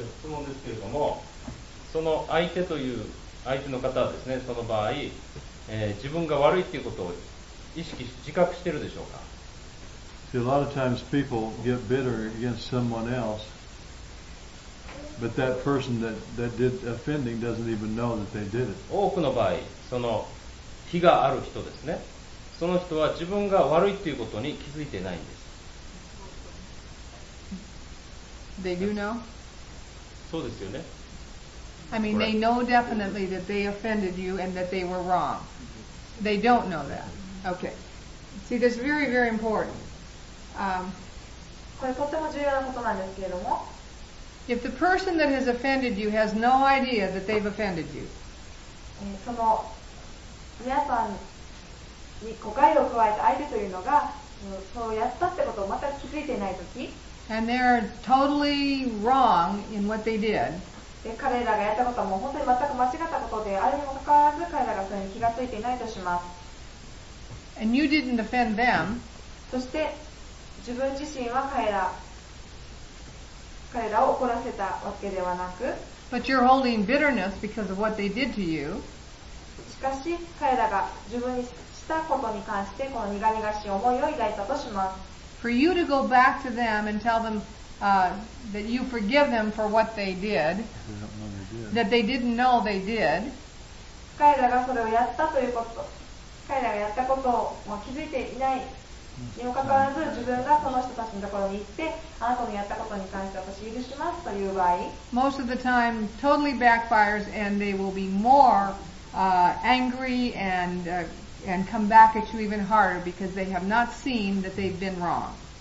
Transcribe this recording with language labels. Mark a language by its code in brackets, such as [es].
[ja] 質問ですけれども、その相手という相手の方はですね、その場合、自分が悪いということを意識し、自覚しているでしょうか? [en] See, a lot of times people get bitter against someone else, but that person that did offending doesn't even know that they did it. [ja] 多くの場合、その非がある人ですね。その人は自分が悪いということに気づいてないんです。 [en] They do know? [ja] そうですよね。 [en] I mean, they know definitely that they offended you and that they were wrong. They don't know that. Okay. See, that's very, very important. [ja] これとても重要なことなんですけれども。 [en] If the person that has offended you has no idea that they've offended you. [ja] その皆さんに誤解を加えた相手というのが、そうやったってことをまた気づいていないとき。 [en] And they're totally wrong in what they did. [ja] で彼らがやったことはもう本当に全く間違ったことで、あれにもかかわらず彼らがそれに気がついていないとします。 [en] And you didn't offend them. [ja] そして自分自身は彼らを怒らせたわけではなく、 [en] But you're holding bitterness because of what they did to you. [ja] しかし彼らが自分にしたことに関してこの苦々しい思いを抱いたとします。 [en] For you to go back to them and tell themthat you forgive them for what they did, that they didn't know they did. [ja] 彼らがそれをやったということ、彼らがやったことを気づいていないにもかかわらず、自分がその人たちのところに行って、あなたのやったことに関して私許しますという場合、 [en] Most of the time, totally backfires and they will be more, angry and come back at you even harder because they have not seen that they've been wrong.